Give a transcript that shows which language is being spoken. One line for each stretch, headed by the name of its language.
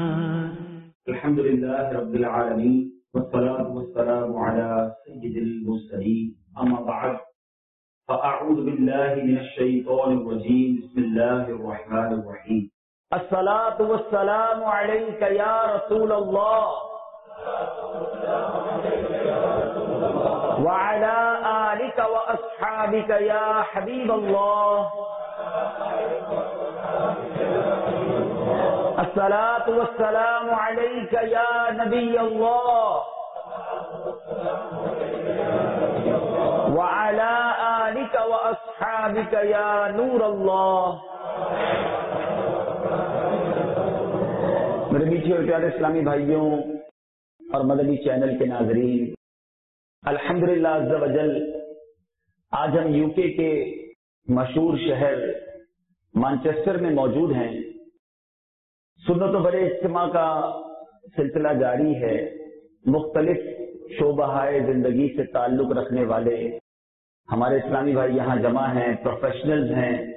Arabic: अल्हम्दुलिल्लाह रब्बिल आलमीन والصلاة والسلام على سيد المرسلين أما بعد فأعوذ بالله من الشيطان الرجيم بسم الله الرحمن الرحيم الصلاة والسلام عليك يا رسول الله وعلى آلك وأصحابك يا حبيب الله الصلاة والسلام عليك يا نبي الله وعلى آلك وأصحابك يا نور الله.
Urdu: میرے میٹھے اور پیارے اسلامی بھائیوں اور مدنی چینل کے ناظرین، الحمدللہ عز و جل آج ہم یو کے مشہور شہر مانچسٹر میں موجود ہیں، سنت و بڑے اجتماع کا سلسلہ جاری ہے، مختلف شعبہائے زندگی سے تعلق رکھنے والے ہمارے اسلامی بھائی یہاں جمع ہیں، پروفیشنلز ہیں،